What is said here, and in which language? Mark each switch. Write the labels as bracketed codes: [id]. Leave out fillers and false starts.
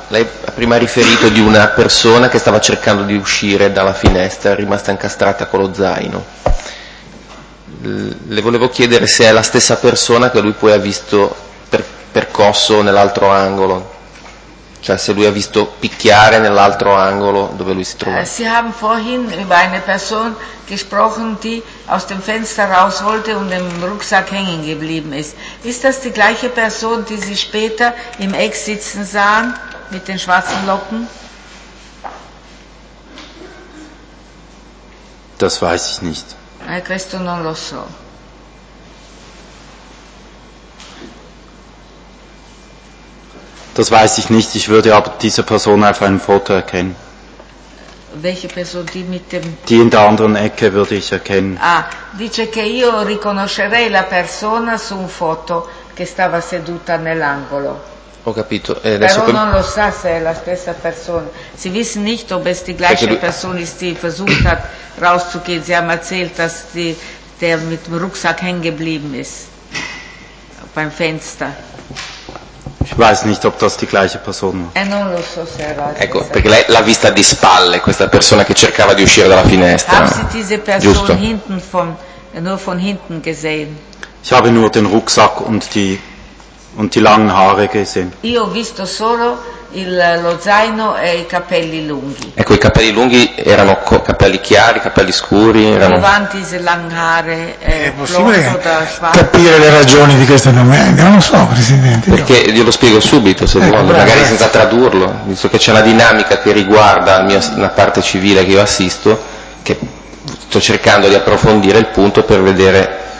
[it] Lei ha prima riferito di una persona che stava cercando di uscire dalla finestra, è rimasta incastrata con lo zaino. Le volevo chiedere se è la stessa persona che lui poi ha visto percosso nell'altro angolo, cioè se lui ha visto picchiare nell'altro angolo dove lui si trova. [de] Sie haben vorhin über eine Person gesprochen, die aus dem Fenster raus wollte und im Rucksack hängen geblieben ist. Ist das die gleiche Person, die Sie später im Eck sitzen sahen? Mit den schwarzen Locken? Das weiß ich nicht. [it] Questo non lo so. [de] Das weiß ich nicht, ich würde aber diese Person auf einem Foto erkennen. Welche Person, die mit dem... Die in der anderen Ecke würde ich erkennen. [it] Ah, dice che io riconoscerei la persona su un foto che stava seduta nell'angolo. Ho capito. Però non lo sa se è la stessa persona. [de] Sie wissen nicht, ob es die gleiche Person ist, die versucht hat rauszugehen. Sie haben erzählt, dass der mit dem Rucksack hängen geblieben ist. Beim Fenster. Ich weiß nicht, ob das die gleiche Person war. [it] Non lo so se era. Ecco, perché lei l'ha vista di spalle, questa persona che cercava di uscire dalla finestra. [de] Haben Sie diese Person hinten von, nur von hinten gesehen? Ich habe nur den Rucksack und die und die langen Haare gesehen. [it] Io ho visto solo lo zaino e i capelli lunghi. Ecco, i capelli lunghi erano capelli chiari, capelli scuri, erano davanti se langare è possibile capire le ragioni di questa domanda, non lo so, Presidente. Perché glielo spiego subito, se vuole, magari grazie. Senza tradurlo, visto che c'è una dinamica che riguarda la parte civile che io assisto, che sto cercando di approfondire il punto per vedere.